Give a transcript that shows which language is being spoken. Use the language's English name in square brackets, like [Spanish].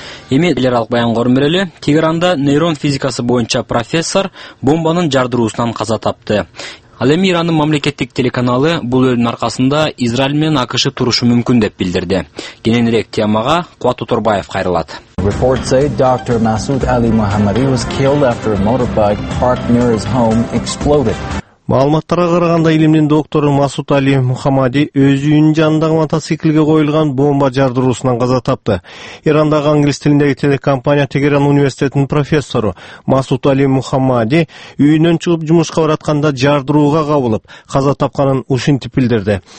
[Kyrgyz] Эми алык баян корун берели. Тегеранда нейрон физикасы боюнча профессор бомбанын жардыруусунан каза тапты. Ал эми Ирандын мамлекеттик телеканалы бул өлүмдүн аркасында Израиль менен АКШ турушу мүмкүн деп билдирди. Кененирээк темага Кубат Оторбаев кайрылат. [English] Reports say Dr. Masoud Ali Mohammadi was killed after a motorbike parked near his home exploded. [Kyrgyz] Маалыматтарга караганда илимдин доктору Масуд Али Мухаммади өз үйүнүн жанындагы мотоциклге коюлган бомба жардыруусунан каза тапты. Ирандагы англис тилиндеги телекомпания Тегеран университетинин профессору Масуд Али Мухаммади үйүнөн чыгып жумушка баратканда жардырууга кабылып каза тапканын ушинтип билдирди.